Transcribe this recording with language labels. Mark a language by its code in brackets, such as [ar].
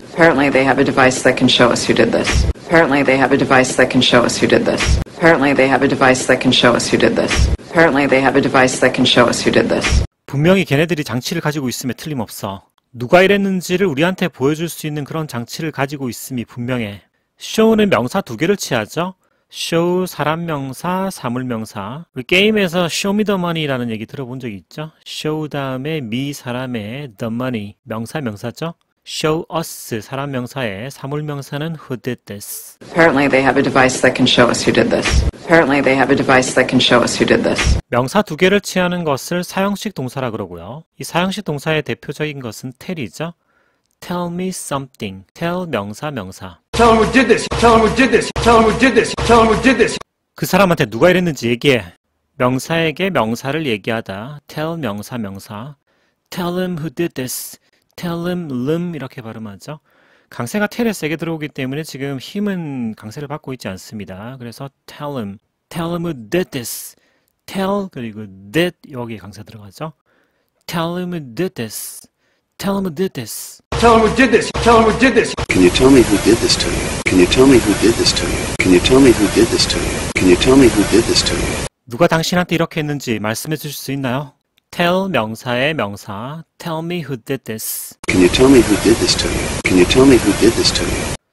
[en] Apparently they have a device that can show us who did this. Apparently they have a device that can show us who did this. Apparently they have a device that can show us who did this. Apparently they have a device that can show us who did this. [ko] 분명히 걔네들이 장치를 가지고 있음에 틀림없어. 누가 이랬는지를 우리한테 보여줄 수 있는 그런 장치를 가지고 있음이 분명해. show는 명사 두 개를 취하죠. show 사람 명사, 사물 명사. 우리 게임에서 [en] show me the money [ko] 라는 얘기 들어본 적이 있죠. show 다음에 me 사람의 the money 명사 명사죠. show us 사람 명사의 사물 명사는 [en] who did this. Apparently they have a device that can show us who did this. Apparently they have a device that can show us who did this. [ko] 명사 두 개를 취하는 것을 사형식 동사라 그러고요. 이 사형식 동사의 대표적인 것은 tell이죠. [en] Tell me something. [ko] Tell 명사 명사. [en] Tell him who did this. Tell him who did this. Tell him who did this. Tell him who did this. [ko] 그 사람한테 누가 이랬는지 얘기해. 명사에게 명사를 얘기하다. Tell 명사 명사. [en] Tell him who did this. Tell him, lum [ko] 이렇게 발음하죠. 강세가 tell에 세게 들어오기 때문에 지금 힘은 강세를 받고 있지 않습니다. 그래서 [en] tell him who did this. Tell 그리고 did [ko] 여기 강세 들어가죠. [en] Tell him who did this. Tell him who did this. Tell him who did this. Tell him who did this. Can you tell me who did this to you? Can you tell me who did this to you? Can you tell me who did this to you? Can you tell me who did this to you? [ko] 누가 당신한테 이렇게 했는지 말씀해 주실 수 있나요? [en] Tell [ko] 명사의 명사. [en] Tell me who did this. Can you tell me who did this to you? Can you tell me who did this to you?